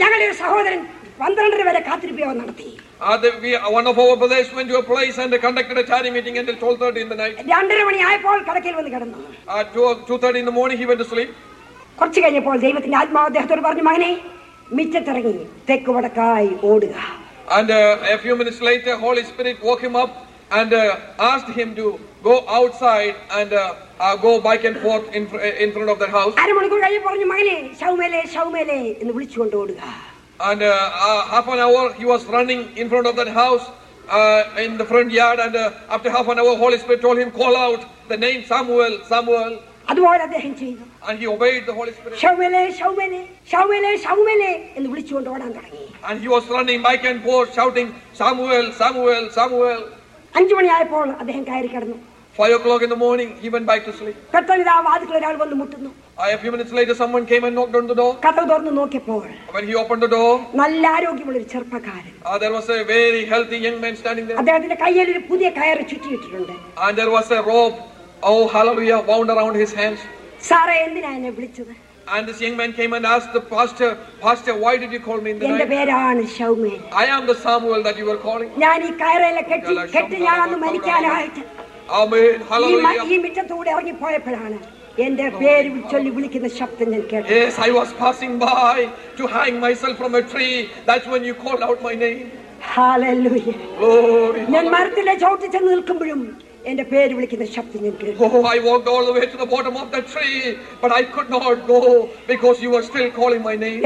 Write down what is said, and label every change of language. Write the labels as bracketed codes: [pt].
[ml] ഞങ്ങളുടെ സഹോദരൻ 12 വരെ കാത്തിരിപ്പിയോ നടത്തി. [en] One of our brothers went to a place and conducted a charity meeting until 12:30 in the night. [ml] 2:30 മണി ആയപ്പോൾ കടക്കിൽ വന്ന് കിടന്നു. [en] At 2:30 in the morning he went to sleep. [ml] കുറച്ച് കഴിഞ്ഞപ്പോൾ ദൈവത്തിന്റെ ആത്മാവ് അദ്ദേഹത്തോട് പറഞ്ഞു, മകനെ മിറ്റത്തിറങ്ങി തെക്ക് വടക്കായി ഓടുക. [en] And a few minutes later Holy Spirit woke him up and asked him to go outside and go back and forth in front of the house. [ml] അര മണിക്കൂർ കഴിഞ്ഞ് പറഞ്ഞു, മകനെ ശൗമേലേ ശൗമേലേ എന്ന് വിളിച്ചുകൊണ്ട് ഓടുക. [en] And half an hour he was running in front of that house in the front yard, and after half an hour Holy Spirit told him, call out the name Samuel, Samuel. [ml] അതുപോലെ അദ്ദേഹം ചെയ്തു. [en] And he obeyed the Holy Spirit. [ml] ശൗമേലേ ശൗമേലേ ശൗമേലേ ശൗമേലേ എന്ന് വിളിച്ചുകൊണ്ട് ഓടാൻ തുടങ്ങി. [en] And he was running back and forth shouting, Samuel, Samuel, Samuel. [ml] 5 മണി ആയപ്പോൾ അദ്ദേഹം കയറി കിടന്നു. [en] 5:00 in the morning he went back to sleep. [ml] പെട്ടെന്ന് ആ വാതിൽ ഒരാൾ വന്നു മുട്ടുന്നു. [en] A few minutes later someone came and knocked on the door. [ml] കതക് തുറന്ന് നോക്കിയപ്പോൾ, [en] when he opened the door, [ml] നല്ല ആരോഗ്യമുള്ള ഒരു ചെറുപ്പക്കാരൻ. [en] There was a very healthy young man standing there. [ml] അദ്ദേഹത്തിന്റെ കയ്യിൽ ഒരു പുതിയ കയറ് ചുറ്റിയിട്ടുണ്ട്. [en] And there was a rope, oh hallelujah, wound around his hands. [ml] സാറേ, എന്തിനാ എന്നെ വിളിച്ചത്? [en] And this young man came and asked the pastor, Pastor, why did you call me in the night? [ml] പേരാണ് Samuel. [en] I am the Samuel that you were calling. [ml] ഞാൻ ഈ കയറിലെ കെട്ടി ഞാൻ അന്ന് മരിക്കാനായിട്ട്. [en] Amen. Hallelujah. [ml] ഈ മിറ്റത്തൂടെ ഇറങ്ങി പോയപ്പോഴാണ് എന്റെ പേര് ചൊല്ലി വിളിക്കുന്ന ശബ്ദം ഞാൻ കേട്ടത്. [en] Yes, I was passing by to hang myself from a tree. That's when you called out my name. Hallelujah. [ml] ഞാൻ മരത്തിലെ ചോട്ടിൽ ചെന്ന് നിൽക്കുമ്പോഴും എന്റെ പേര് വിളിക്കുന്ന ശബ്ദം ഞാൻ കേട്ടു. [en] Oh, I walked all the way to the bottom of the tree, but I could not go because you were still calling my name.